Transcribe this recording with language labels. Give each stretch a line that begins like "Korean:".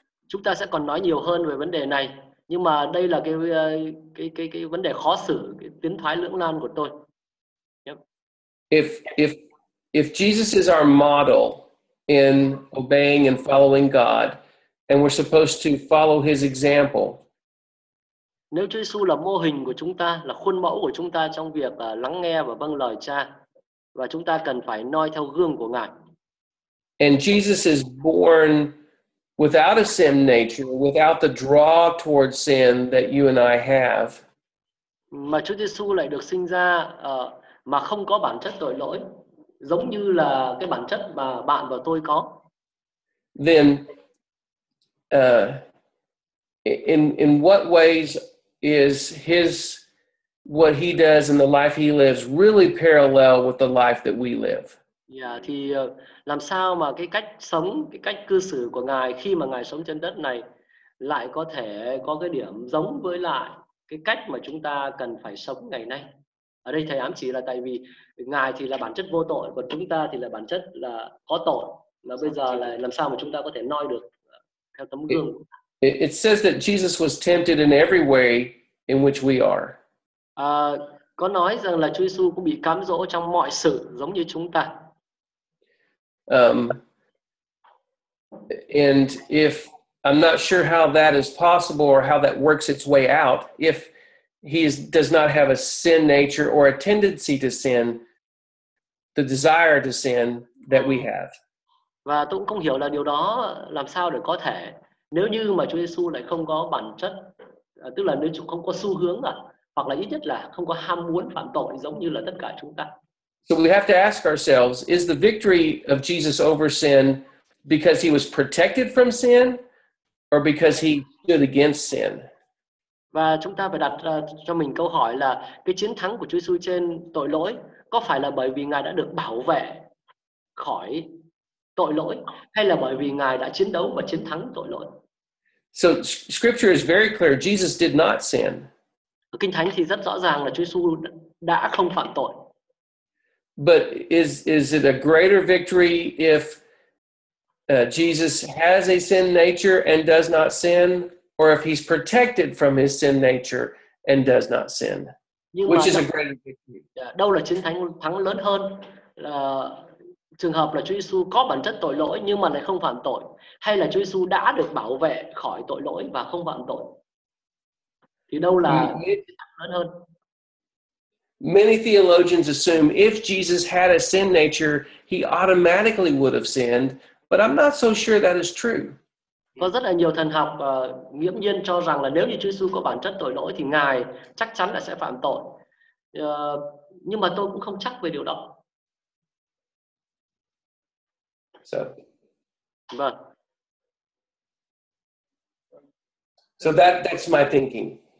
Vietnamese: Chúng ta sẽ còn nói nhiều hơn về vấn đề này. Nhưng mà đây là cái vấn đề khó xử, cái tiến thoái lưỡng nan của tôi. Yep.
English: If Jesus is our model in obeying and following God, and we're supposed to follow his example.
Vietnamese: Nếu Chúa Giêsu là mô hình của chúng ta, là khuôn mẫu của chúng ta trong việc lắng nghe và vâng lời Cha, và chúng ta cần phải noi theo gương của Ngài.
English: And Jesus is born without a sin nature, without the draw towards sin that you and I have.
Vietnamese: Mà Chúa Giêsu lại được sinh ra mà không có bản chất tội lỗi, giống như là cái bản chất mà bạn và tôi có.
English: Then, in what ways is his, what he does and the life he lives really parallel with the life that we live?
Vietnamese: Yeah, thì làm sao mà cái cách sống, cái cách cư xử của Ngài khi mà Ngài sống trên đất này lại có thể có cái điểm giống với lại cái cách mà chúng ta cần phải sống ngày nay. Ở đây thầy ám chỉ là tại vì Ngài thì là bản chất vô tội, còn chúng ta thì là bản chất là có tội. Mà bây giờ là làm sao mà chúng ta có thể noi được theo tấm gương.
English: It says that Jesus was tempted in every way in which we are.
Vietnamese: Có nói rằng là Chúa Giêsu cũng bị cám dỗ trong mọi sự giống như chúng ta.
English: And if I'm not sure how that is possible or how that works its way out, if he does not have a sin nature or a tendency to sin, the desire to sin that we have.
Vietnamese: Và tôi cũng không hiểu là điều đó làm sao để có thể nếu như mà Chúa Giêsu lại không có bản chất, tức là nếu không có xu hướng à, hoặc là ít nhất là không có ham muốn phạm tội giống như là tất cả chúng ta.
English: So we have to ask ourselves, is the victory of Jesus over sin because he was protected from sin or because he stood against sin?
Vietnamese: Và chúng ta phải đặt cho mình câu hỏi là cái chiến thắng của Chúa Giêsu trên tội lỗi có phải là bởi vì Ngài đã được bảo vệ khỏi tội lỗi hay là bởi vì Ngài đã chiến đấu và chiến thắng tội lỗi?
English: So scripture is very clear, Jesus did not sin.
Vietnamese: Kinh Thánh thì rất rõ ràng là Chúa Giêsu đã không phạm tội.
English: But is it a greater victory if Jesus has a sin nature and does not sin, or if he's protected from his sin nature and does not sin?
Vietnamese: Nhưng
English: which
Vietnamese: mà,
English: is a greater victory?
Vietnamese: Đâu là chiến thắng lớn hơn là trường hợp là Chúa Giêsu có bản chất tội lỗi nhưng mà lại không phạm tội, hay là Chúa Giêsu đã được bảo vệ khỏi tội lỗi và không phạm tội? Thì đâu là chiến thắng lớn hơn?
English: Many theologians assume if Jesus had a sin nature, he automatically would have sinned, but I'm not so sure that is true.
Vietnamese: Có rất là nhiều thần học nghiễm nhiên cho rằng là nếu như Chúa Jesus có bản chất tội lỗi thì Ngài chắc chắn là sẽ phạm tội. Nhưng mà tôi cũng không chắc về điều đó.
English: So that's my thinking.